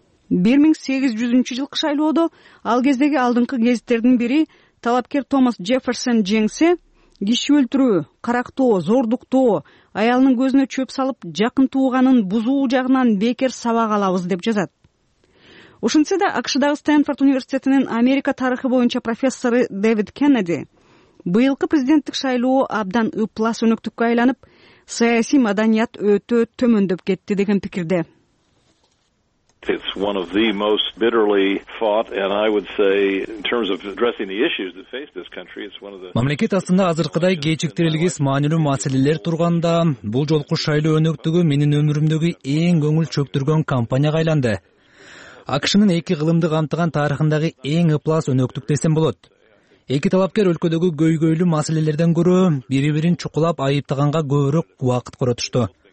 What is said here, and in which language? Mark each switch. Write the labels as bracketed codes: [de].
[ky] 1800 жылкы шайлоодо ал кездеги алдыңкы гезиттердин бири талапкер Томас Джефферсон жеңсе, киши өлтүрүү, карактоо, зордуктоо, аялынын көзүнө чөп салып, жакын тууганын бузуу жагынан бекер сабак алабыз деп жазат. Ошентсе да АКШ-дагы Стэнфорд университетинин Америка тарыхы боюнча профессору Дэвид Кеннеди быйылкы президенттик шайлоо абдан ыплас өнөктүккө айланып, саясий маданият өтө төмөндөп кетти деген пикирде. [en] It's one of the most bitterly fought, and I would say, in terms of addressing the issues that face this country, it's one of the. [ky] Мамлекет астында азыркыдай кечиктирилгис маанилүү маселелер турганда, бул жолку шайлоо өнөктүгү менин өмүрүмдөгү эң көңүл чөктүргөн кампанияга айланды. АКШ-нын эки кылымды камтыган тарыхындагы эң ыплас өнөктүк десем болот. Эки талапкер өлкөдөгү көйгөйлүү маселелерден көрө бири-бирин чукулап айыптаганга көбүрөөк убакыт коротушту.